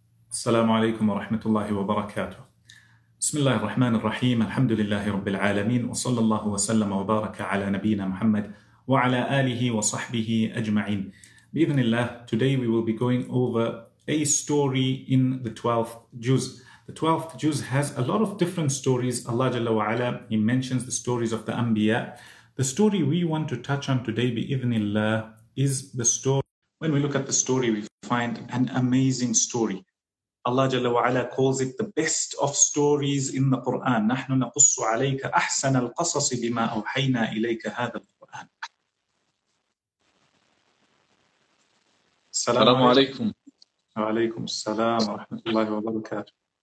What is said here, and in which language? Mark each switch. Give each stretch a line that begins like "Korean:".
Arabic: السلام عليكم ورحمة الله وبركاته. بسم الله الرحمن الرحيم، الحمد لله رب العالمين، وصلى الله وسلم وبارك على نبينا محمد وعلى آله وصحبه أجمعين. بإذن الله,
English: today we will be going over a story in the 12th juz. The 12th juz has a lot of different stories. Allah جل وعلا, He mentions the stories of the Anbiya. The story we want to touch on today,
Arabic: بإذن الله,
English: is the story. When we look at the story, we find an amazing story. Allah جل وعلا calls it the best of stories in the Quran.
Arabic: نحن نقص عليك أحسن القصص بما أوحينا إليك هذا القرآن. السلام عليكم. وعليكم السلام ورحمة الله وبركاته.